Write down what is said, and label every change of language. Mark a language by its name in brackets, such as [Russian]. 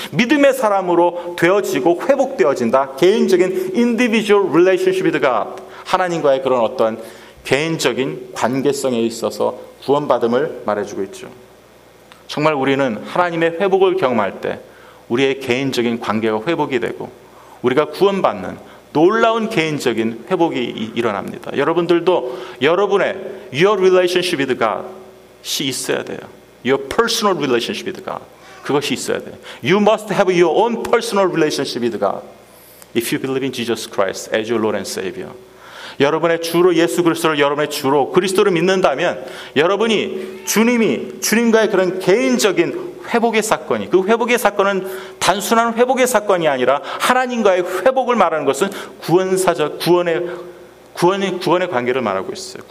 [Korean] 믿음의 사람으로 되어지고 회복되어진다. 개인적인 [English] individual relationship with God [Korean] 하나님과의 그런 어떤 개인적인 관계성에 있어서 구원받음을 말해주고 있죠. 정말 우리는 하나님의 회복을 경험할 때 우리의 개인적인 관계가 회복이 되고 우리가 구원받는 놀라운 개인적인 회복이 일어납니다. 여러분들도 여러분의 [English] Your relationship with God [Korean] 이 있어야 돼요. [English] Your personal relationship with God [Korean] 그것이 있어야 돼요. [English] You must have your own personal relationship with God if you believe in Jesus Christ as your Lord and Savior. [Korean] 여러분의 주로 예수 그리스도를 여러분의 주로 그리스도를 믿는다면 여러분이 주님과의 그런 개인적인 회복의 사건이 그 회복의 사건은 단순한 회복의 사건이 아니라 하나님과의 회복을 말하는 것은 구원사적 구원의 관계를 말하고 있어요.